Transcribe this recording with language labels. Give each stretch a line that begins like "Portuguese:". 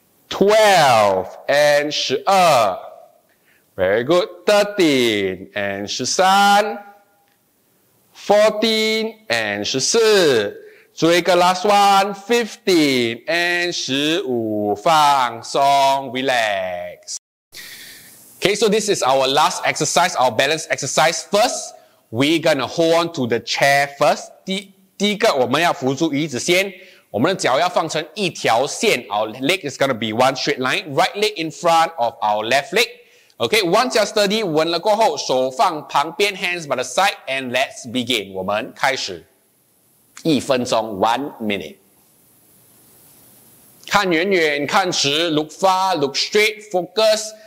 English: twelve and
Chinese: 十二
English: very good, thirteen and
Chinese: 十三
English: fourteen and
Chinese: 十四最后一个
English: last one, fifteen and
Chinese: 十五放松
English: relax. Okay, so this is our last exercise, our balance exercise. First, we're gonna hold on to the chair first.
Chinese: 第一个，我们要扶住椅子先。我们的脚要放成一条线。
English: Our leg is gonna be one straight line. Right leg in front of our left leg. Okay, once you're steady,
Chinese: 稳了过后，手放旁边
English: ，hands by the side, and let's begin.
Chinese: 我们开始。一分钟 ，
English: one minute.
Chinese: 看远远，看直 ，
English: look far, look straight, focus.